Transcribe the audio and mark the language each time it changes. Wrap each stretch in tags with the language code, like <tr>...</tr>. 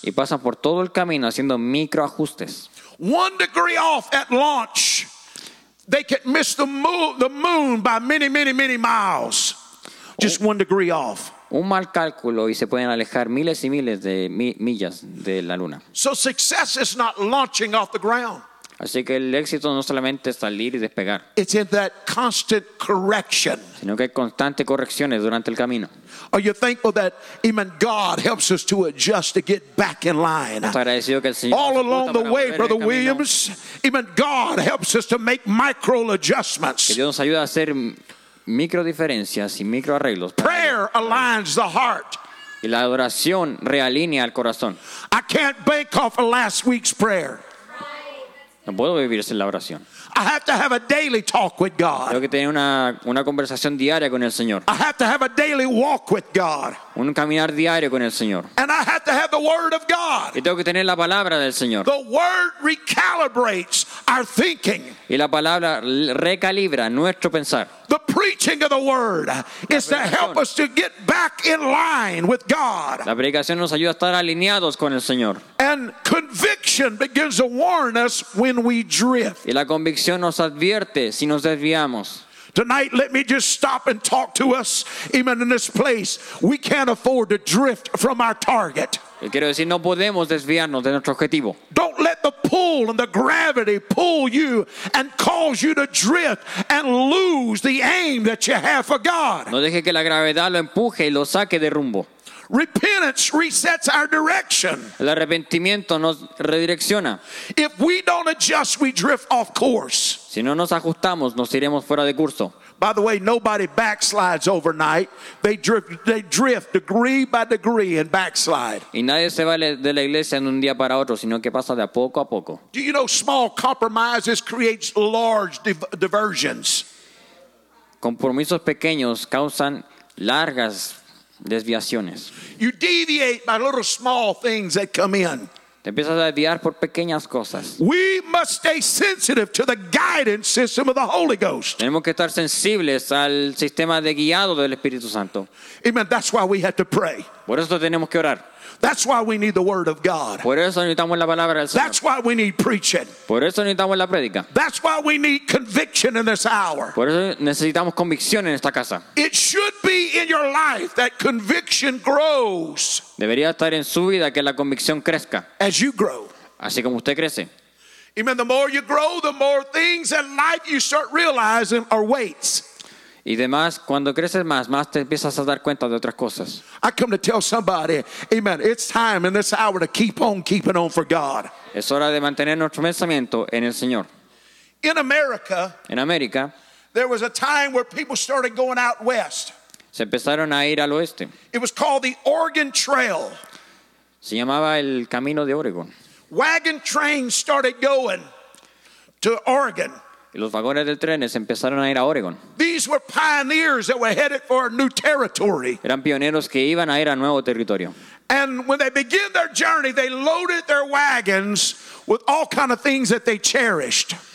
<es>Y pasan por todo el camino haciendo micro ajustes.</es> <en>1 degree off at launch, they could miss the moon by many, many, many miles. Just 1 degree off.</en> <es>Un mal cálculo y se pueden alejar miles y miles de millas de la luna.</es> <en>So success is not launching off the ground.</en> <es>Así que el éxito no solamente es salir y despegar.</es> <en>It's in that constant correction.</en> <es>Sino que hay constantes correcciones durante el camino.</es> <en>Are you thankful that even God helps us to adjust to get back in line? All along the way, Brother Williams, even God helps us to make micro adjustments.</en> <es>Que Dios nos ayuda a hacer micro diferencias y micro arreglos.</es> <en>Prayer aligns the heart.</en> <es>Y la adoración realinea el corazón.</es> <en>I can't bank off of last week's prayer.</en> <es>No puedo vivir sin la oración.</es> <en>I have to have a daily talk with God.</en> <es>Tengo que tener una conversación diaria con el Señor.</es> <en>I have to have a daily walk with God.</en> <es>Un caminar diario con el Señor.</es> <en>And I have to have the Word of God.</en> <es>Y tengo que tener la palabra del Señor.</es> <en>The Word recalibrates our thinking.</en> <es>Y la palabra recalibra nuestro pensar.</es> <en>The preaching of the Word is to help us to get back in line with God.</en> <es>La predicación nos ayuda a estar alineados con el Señor.</es> <en>And conviction begins to warn us when we drift.</en> <es>Y la convicción nos advierte si nos desviamos.</es> <en>Tonight, let me just stop and talk to us, even in this place. We can't afford to drift from our target.</en> <es>Quiero decir, no podemos desviarnos de nuestro objetivo.</es> <en>Don't let the pull and the gravity pull you and cause you to drift and lose the aim that you have for God.</en> <es>No deje que la gravedad lo empuje y lo saque de rumbo.</es> <en>Repentance resets our direction.</en> <es>El arrepentimiento nos redirecciona.</es> <en>If we don't adjust, we drift off course.</en> <es>Si no nos ajustamos, nos iremos fuera de curso.</es> <en>By the way, nobody backslides overnight. They drift degree by degree and backslide.</en> <es>Y nadie se va de la iglesia en un día para otro, sino que pasa de a poco a poco.</es> <en>Do you know small compromises creates large diversions?</en> <es>Compromisos pequeños causan largas desviaciones.</es> <en>You deviate by little small things that come in.</en> <es>Te empiezas a desviar por pequeñas cosas.</es> <en>We must stay sensitive to the guidance system of the Holy Ghost.</en> <es>Tenemos que estar sensibles al sistema de guiado del Espíritu Santo.</es> <en>Amen. That's why we have to pray.</en> <es>Por eso tenemos que orar.</es> <en>That's why we need the Word of God.</en> <es>Por eso necesitamos la palabra del Señor.</es> <en>That's why we need preaching.</en> <es>Por eso necesitamos la prédica.</es> <en>That's why we need conviction in this hour.</en> <es>Por eso necesitamos convicción en esta casa.</es> <en>It should be in your life that conviction grows.</en> <es>Debería estar en su vida que la convicción crezca.</es> <en>As you grow.</en> <es>Así como usted crece.</es> <en>Amen. The more you grow, the more things in life you start realizing are weights.</en> <es>Y demás, cuando creces más, más te empiezas a dar cuenta de otras cosas.</es> <en>I come to tell somebody, amen, it's time in this hour to keep on keeping on for God.</en> <es>Es hora de mantener nuestro pensamiento en el Señor.</es> <en>In America,</en> <es>en América,</es> <en>there was a time where people started going out west.</en> <es>Se empezaron a ir al oeste.</es> <en>It was called the Oregon Trail.</en> <es>Se llamaba el Camino de Oregon.</es> <en>Wagon trains started going to Oregon.</en> <es>Y los vagones de trenes empezaron a ir a Oregon.</es> <en>These were pioneers that were headed for a new territory.</en> <es>Eran pioneros que iban a ir a nuevo territorio.</es> <en>And when they began their journey, they loaded their wagons with all kind of things that they cherished.</en>